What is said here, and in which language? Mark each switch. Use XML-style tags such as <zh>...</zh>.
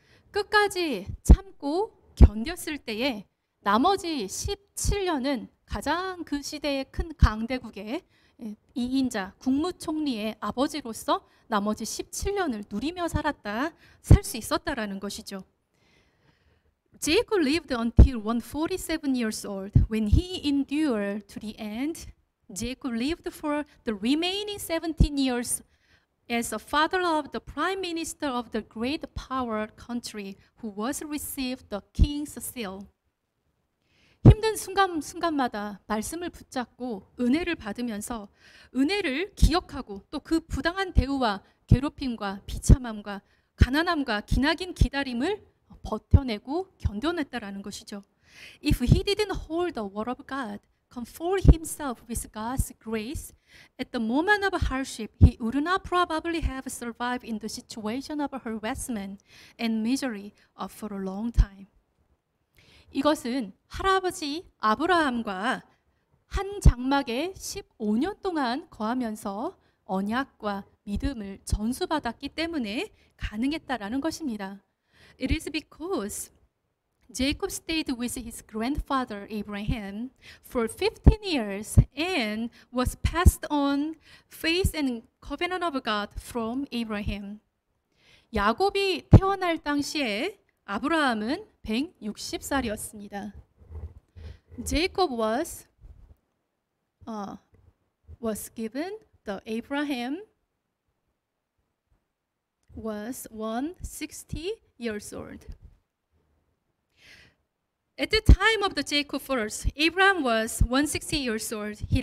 <ko>끝까지 참고 견뎠을 때에 나머지 17년은 가장 그 시대의 큰 강대국의 2인자 국무총리의 아버지로서 나머지 17년을 누리며 살았다, 살 수 있었다라는 것이죠.</ko> <en>Jacob lived until 147 years old. When he endured to the end, Jacob lived for the remaining 17 years as a father of the prime minister of the great power country who was received the king's seal.</en> <ko>힘든 순간순간마다 말씀을 붙잡고 은혜를 받으면서 은혜를 기억하고 또 그 부당한 대우와 괴롭힘과 비참함과 가난함과 기나긴 기다림을 버텨내고 견뎌냈다라는 것이죠.</ko> <en>If he didn't hold the word of God, comfort himself with God's grace, at the moment of hardship, he would not probably have survived in the situation of harassment and misery for a long time.</en> <ko>이것은 할아버지 아브라함과 한 장막에 15년 동안 거하면서 언약과 믿음을 전수받았기 때문에 가능했다라는 것입니다.</ko> <en>It is because Jacob stayed with his grandfather Abraham for 15 years and was passed on faith and covenant of God from Abraham.</en> <ko>야곱이 태어날 당시에 아브라함은 160살이었습니다.</ko> <en>Jacob was given the Abraham was 160 years old. At the time of the Jacob first, Abraham was 160 years old.</en>